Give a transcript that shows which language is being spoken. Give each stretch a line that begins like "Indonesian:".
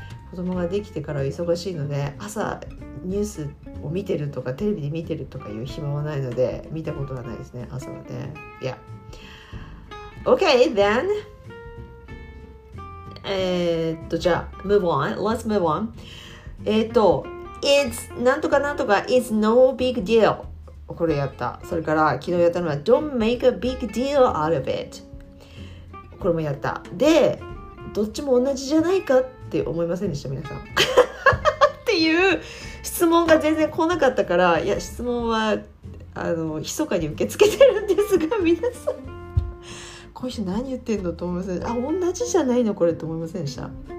Japanese: 子供ができてから忙しいので朝ニュースを見てるとかテレビで見てるとかいう暇はないので見たことはないですね朝まで。
English: Yeah. Okay, then, じゃあ、move on. Let's move on. It's,
Japanese: なんとかなんとか
English: is no big deal.
Japanese: これやった。それから、昨日やったのは、
English: don't make a big deal out of it.
Japanese: これもやった。で、どっちも同じじゃないかって思いませんでした、皆さん。っていう質問が全然来なかったから、いや、質問は、密かに受け付けてるんですが、皆さん。こういう人何言ってんのと思いません。あ、同じじゃないのこれと思いませんでした。